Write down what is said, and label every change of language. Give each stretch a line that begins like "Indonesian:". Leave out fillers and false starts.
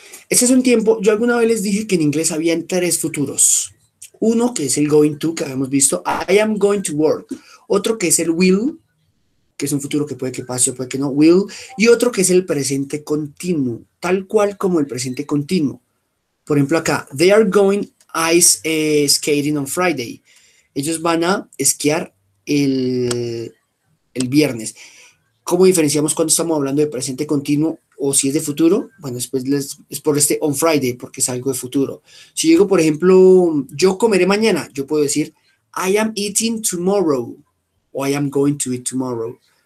Spanish: Ese es un tiempo, yo alguna vez les dije que en inglés habían tres futuros. Uno que es el going to, que habíamos visto,
English: I am going to work.
Spanish: Otro que es el will, que es un futuro que puede que pase o puede que no, will. Y otro que es el presente continuo, tal cual como el presente continuo. Por ejemplo acá,
English: they are going ice skating on Friday.
Spanish: Ellos van a esquiar el viernes. ¿Cómo diferenciamos cuando estamos hablando de presente continuo o si es de futuro? Bueno, después es por este on Friday, porque es algo de futuro. Si digo, por ejemplo, yo comeré mañana, yo puedo decir,
English: I am eating tomorrow,
Spanish: o
English: I am going to eat tomorrow.